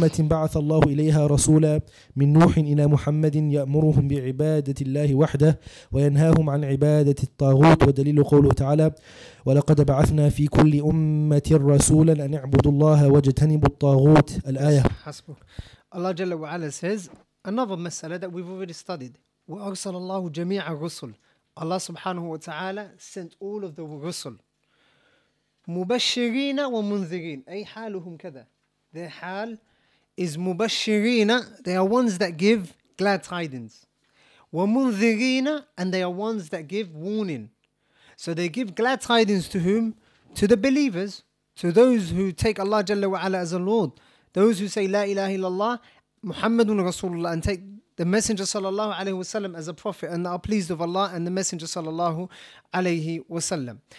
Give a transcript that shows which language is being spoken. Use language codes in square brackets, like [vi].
[ar] بعث الله إليها رسولا من نوح إلى محمد يأمرهم بعبادة الله وحده وينهاهم عن عبادة الطاغوت ودليل قوله تعالى ولقد بعثنا في كل أمة رسولا أن اعبدوا الله واجتنبوا الطاغوت الآية. حسبك. الله جل وعلا [en] says another مسألة that we've already studied. [ar] وأرسل الله جميع الرسل. [en] Allah [ar] سبحانه وتعالى [en] sent all of the رسل. [ar] مبشرين ومنذرين أي حالهم كذا. [en] Their حال is مبشرين, they are ones that give glad tidings. ومنذرين, and they are ones that give warning. So they give glad tidings to whom? To the believers, to those who take Allah جل وعلا as a Lord, those who say [ar] لا إله إلا الله محمد رسول الله, [en] and take the Messenger [ar] صلى الله عليه وسلم [en] as a prophet, and are pleased of Allah and the Messenger صلى الله عليه وسلم.